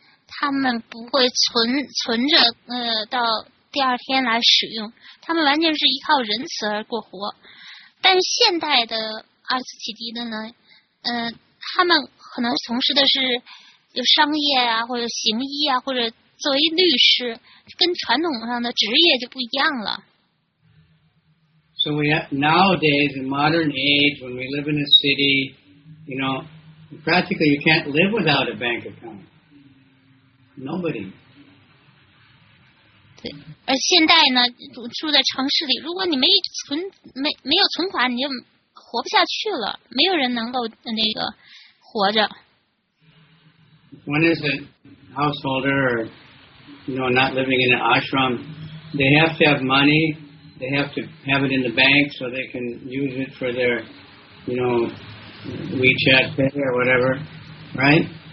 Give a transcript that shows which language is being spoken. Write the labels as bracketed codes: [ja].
[zh] 他们不会存着到第二天来使用，他们完全是依靠仁慈而过活。但是现代的阿斯提迪的呢，他们可能从事的是有商业啊，或者行医啊，或者作为律师，跟传统上的职业就不一样了。 [en] So we have, nowadays in modern age when we live in a city, you know, practically you can't live without a bank account. Nobody. [zh] 对，而现在呢，住在城市里，如果你没有存款，你就活不下去了。没有人能够那个活着。 [en] One is a householder, not living in an ashram. They have to have money. They have to have it in the bank so they can use it for their, WeChat Pay or whatever, right?